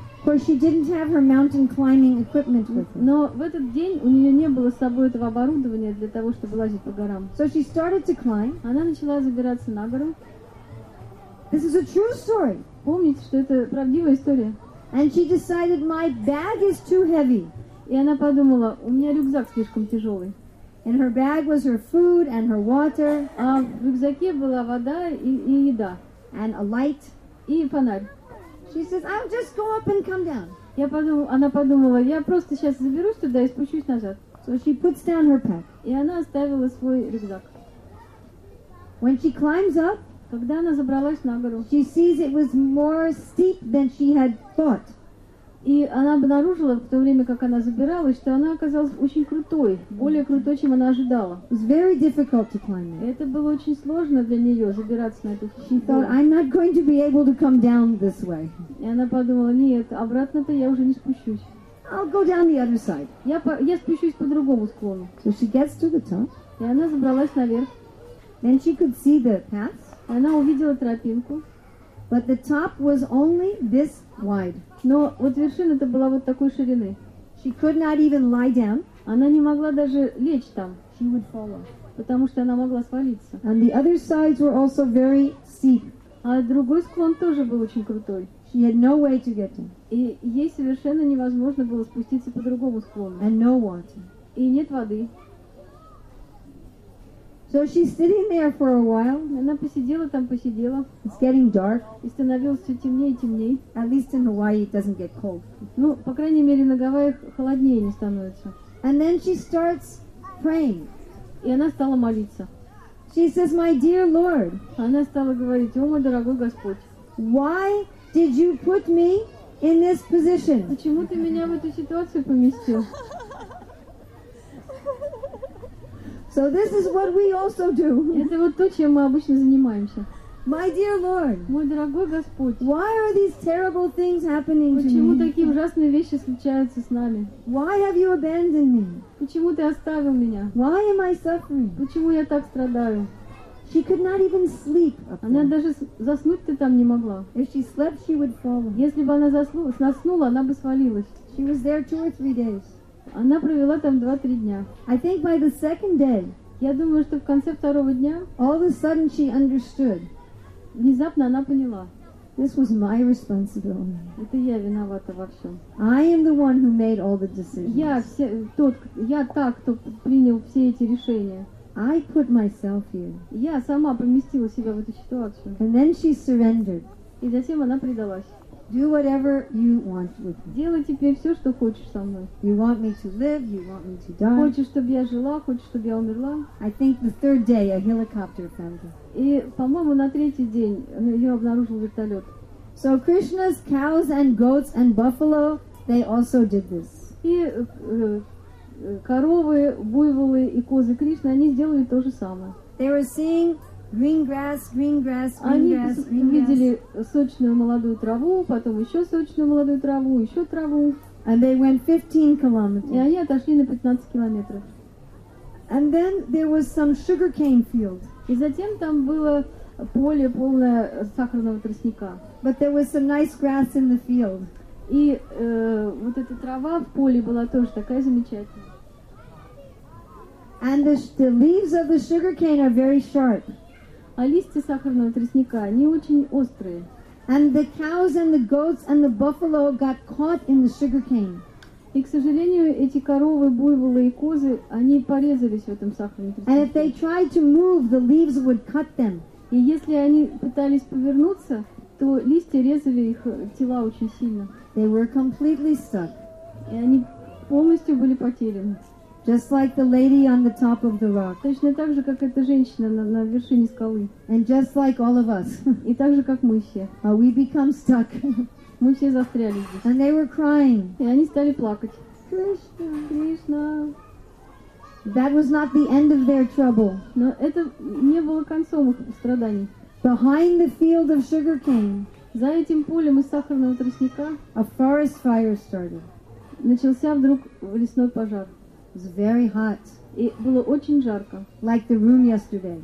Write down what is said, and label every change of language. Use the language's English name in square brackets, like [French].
[English] For she didn't have her mountain climbing equipment with her. [Russian] Но в этот день у нее не было с собой этого оборудования для того, чтобы лазить по горам. [English] So she started to climb. [Russian] Она начала забираться на гору. [English] This is a true story. [Russian] Помните, что это правдивая история. [English] And she decided my bag is too heavy. [Russian] И она подумала, у меня рюкзак слишком тяжелый. [English] In her bag was her food and her water. [Russian] А в рюкзаке была вода и еда. [English] And a light. [Russian] И фонарь. [English] She says, I'll just go up and come down. [Russian] Она подумала, я просто сейчас заберусь туда и спущусь назад. [English] So she puts down her pack. [Russian] И она оставила свой рюкзак. [English] When she climbs up, [Russian] когда она забралась на гору, [English] she sees it was more steep than she had thought. [Russian] И она обнаружила в то время, как она забиралась, что она оказалась очень крутой, более крутой, чем она ожидала. [English] It was very difficult to climb it. [Russian] Это было очень сложно для нее забираться на эту гору. [English] She thought, I'm not going to be able to come down this way. [Russian] И она подумала, нет, обратно-то я уже не спущусь. [English] I'll go down the other side. [Russian] Я спущусь по другому склону. [English] So she gets to the top. [Russian] И она забралась наверх. [English] Then she could see the path. [Russian] Она увидела тропинку. [English] But the top was only this wide. [Russian] Но вот вершина-то была вот такой ширины. [English] She could not even lie down. [Russian] Она не могла даже лечь там. [English] She would fall off. [Russian] Потому что она могла свалиться. [English] And the other sides were also very steep. [Russian] А другой склон тоже был очень крутой. [English] She had no way to get in. [Russian] И ей совершенно невозможно было спуститься по другому склону. [English] And no water. [Russian] И нет воды. [English] So she's sitting there for a while. [Russian] Она посидела там, посидела. [English] It's getting dark. [Russian] И становилось все темнее и темнее. [English] At least in Hawaii it doesn't get cold. [Russian] Ну, по крайней мере, на Гавайях холоднее не становится. [English] And then she starts praying. [Russian] И она стала молиться. [English] She says, "My dear Lord." [Russian] Она стала говорить, "О, мой дорогой Господь." [English] Why did you put me in this position? [Russian] Почему ты меня в эту ситуацию поместил? [English] So this is what we also do. [Russian] Это вот то, чем мы обычно занимаемся. [English] My dear Lord. [Russian] Мой дорогой Господь. [English] Why are these terrible things happening to me? [Russian] Почему такие ужасные вещи случаются с нами? [English] Why have you abandoned me? [Russian] Почему ты оставил меня? [English] Why am I suffering? [Russian] Почему я так страдаю? [English] She could not even sleep. [Russian] Она даже заснуть-то там не могла. [English] If she slept, she would fall. [Russian] Если бы она заснула, она бы свалилась. [English] She was there 2 or 3 days. [Russian] Она провела там 2-3 дня. [English] I think by the second day, [Russian] я думаю, что в конце второго дня, [English] all of a sudden she understood. [Russian] Внезапно она поняла. [English] This was my responsibility. [Russian] Это я виновата во всем. [English] I am the one who made all the decisions. [Russian] Я та, кто принял все эти решения. [English] I put myself here. [Russian] Я сама поместила себя в эту ситуацию. [English] And then she surrendered. [Russian] И затем она предалась. [English] Do whatever you want with me. [Russian] Делай теперь все, что хочешь со мной. [English] You want me to live, you want me to die. [Russian] Хочешь, чтобы я жила, хочешь, чтобы я умерла. [English] I think the third day a helicopter found her. [Russian] И, по-моему, на третий день ее обнаружил вертолет. [English] So Krishna's cows and goats and buffalo, they also did this. [Russian] И коровы, буйволы и козы Кришны, они сделали то же самое. [English] They were seeing green grass, green grass, green [Russian] они [English] grass, green grass. [Russian] Они видели сочную молодую траву, потом еще сочную молодую траву, еще траву. [English] And they went 15 kilometers. [Russian] И они отошли на 15 километров. [English] And then there was some sugarcane field. [Russian] И затем там было поле полное сахарного тростника. [English] But there was some nice grass in the field. [Russian] И вот эта трава в поле была тоже такая замечательная. [English] And the leaves of the sugarcane are very sharp. [Russian] А листья сахарного тростника, они очень острые. [English] And the cows and the goats and the buffalo got caught in the sugarcane. [Russian] И, к сожалению, эти коровы, буйволы и козы, они порезались в этом сахарном тростнике. [English] And if they tried to move, the leaves would cut them. [Russian] И если они пытались повернуться, то листья резали их тела очень сильно. [English] They were completely stuck. [Russian] И они полностью были потеряны. [English] Just like the lady on the top of the rock. [Russian] Точно так же, как эта женщина на вершине скалы. [English] And just like all of us. [Russian] И так же, как мы все. [English] We become stuck. [Russian] Мы все застряли здесь. [English] And they were crying. [Russian] И они стали плакать. [English] Кришна, [Russian] Кришна. [English] That was not the end of their trouble. [Russian] Но это не было концом их страданий. [English] Behind the field of sugarcane. [Russian] За этим полем из сахарного тростника. [English] A forest fire started. [Russian] Начался вдруг лесной пожар. [English] It was very hot. [Russian] И было очень жарко. [English] Like the room yesterday.